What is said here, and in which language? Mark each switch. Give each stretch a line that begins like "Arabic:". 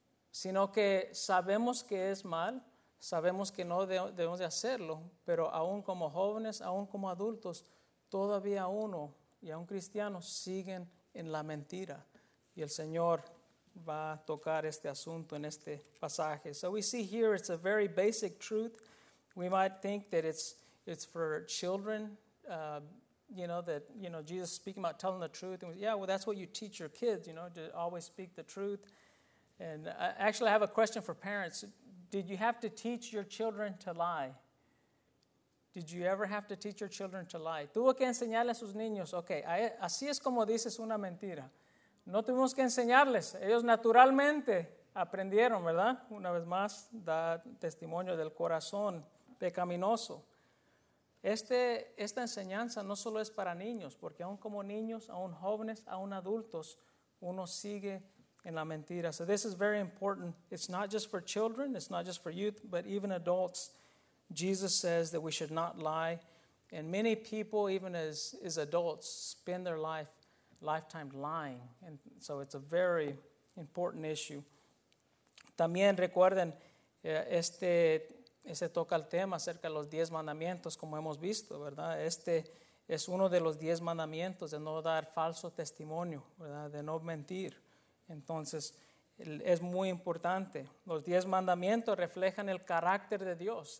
Spanish: Sino que sabemos que es mal, sabemos que no debemos de hacerlo, pero aún como jóvenes, aún como adultos, todavía uno y aún cristianos siguen en la mentira. Y el Señor va a tocar este asunto en este pasaje.
English: So we see here it's a very basic truth. We might think that it's for children, you know, that, you know, Jesus speaking about telling the truth. And yeah, well, that's what you teach your kids, you know, to always speak the truth. And I have a question for parents. Did you have to teach your children to lie? Did you ever have to teach your children to lie?
Spanish: Tuvo que enseñarle a sus niños, okay, así es como dices una mentira. No tuvimos que enseñarles. Ellos naturalmente aprendieron, ¿verdad? Una vez más, da testimonio del corazón pecaminoso. Esta enseñanza no solo es para niños, porque aún como niños, aún jóvenes, aún adultos, uno sigue en la mentira.
English: So this is very important. It's not just for children, it's not just for youth, but even adults. Jesus says that we should not lie. And many people, even as adults, spend their lifetime lying. And so it's a very important issue.
Spanish: También recuerden, ese toca el tema acerca de los 10 mandamientos, como hemos visto, ¿verdad? Este es uno de los 10 mandamientos de no dar falso testimonio, ¿verdad? De no mentir. Entonces, es muy importante. Los 10 mandamientos reflejan el carácter de Dios.